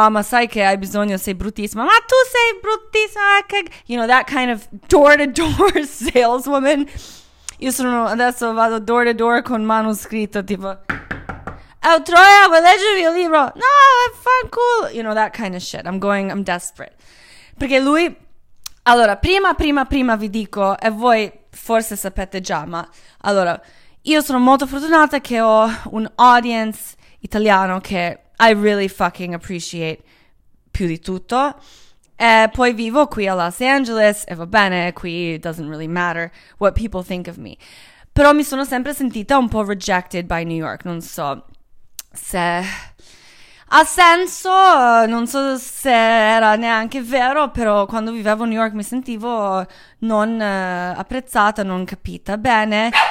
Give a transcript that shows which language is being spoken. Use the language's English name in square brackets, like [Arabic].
[Italian] No, ma sai che hai bisogno, sei bruttissima. Ma tu sei bruttissima, [English] you know, that kind of door-to-door saleswoman. [Italian] Io sono, adesso vado door-to-door con manoscritto, tipo, oh, Troia, vuoi leggere il mio libro? No, fanculo, [English] you know, that kind of shit. I'm desperate. [Italian] Perché lui, allora, prima vi dico, e voi forse sapete già, ma, allora, io sono molto fortunata che ho un audience italiano che [English] I really fucking appreciate [Italian] più di tutto. E poi vivo qui a Los Angeles e va bene, qui [English] it doesn't really matter what people think of me. [Italian] Però mi sono sempre sentita un po' [English] rejected by New York, [Italian] non so se ha senso, non so se era neanche vero, però quando vivevo a New York mi sentivo non apprezzata, non capita bene.